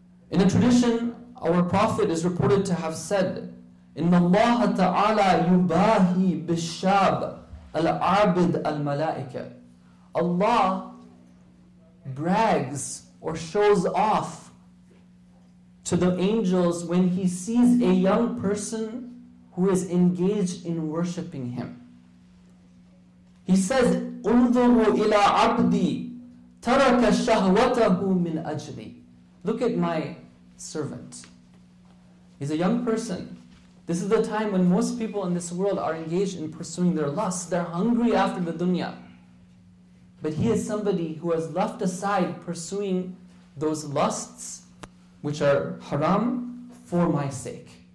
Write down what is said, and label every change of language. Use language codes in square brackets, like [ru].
[en] In a tradition, our Prophet is reported to have said, [ar] إِنَّ اللَّهَ تَعَالَى يُبَاهِي بِالشَّابِ الْعَابِدِ الْمَلَائِكَةِ. [en] Allah brags or shows off to the angels when he sees a young person who is engaged in worshipping him. He says, [ar] أُنظُرُ إِلَىٰ عَبْدِي تَرَكَ شَهْوَتَهُ مِنْ أَجْلِي. [en] Look at my servant. He's a young person. This is the time when most people in this world are engaged in pursuing their lusts. They're hungry after the dunya. But he is somebody who has left aside pursuing those lusts, which are haram, for my sake.